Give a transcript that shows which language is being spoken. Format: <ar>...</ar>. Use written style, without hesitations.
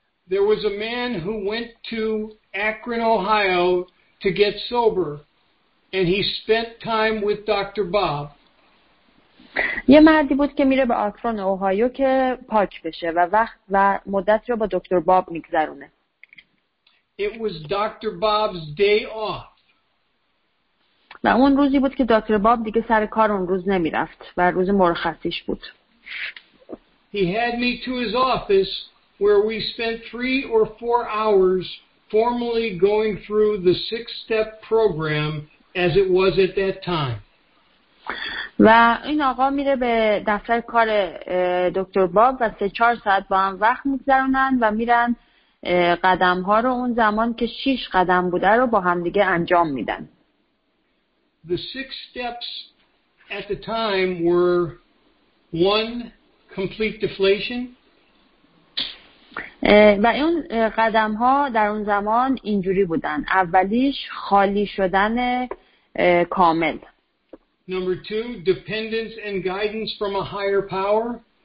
<en>There was a man who went to Akron, Ohio to get sober and he spent time with Dr. Bob.</en> <fa>یه مردی بود که میره به آکرون اوهایو که پاک بشه و وقت و مدت رو با دکتر باب میگذرونه.</fa> <en>It was Dr. Bob's day off.</en> <fa>و اون روزی بود که دکتر باب دیگه سر کار اون روز نمیرفت و روز مرخصیش بود.</fa> <en>He had me to his office where we spent 3 or 4 hours formally going through the 6-step program as it was at that time.</en> <fa>و این آقا میره به دفتر کار دکتر باب و 3-4 ساعت با هم وقت میگذرونن و میرن قدم ها رو اون زمان که 6 قدم بوده رو با هم دیگه انجام میدن.</fa> <en>The 6 steps at the time were 1, complete deflation.</en> <fa>و اون قدم ها در اون زمان اینجوری بودن. اولیش خالی شدن کامل.</fa> <en>Number 2, dependence and guidance from a higher power.</en>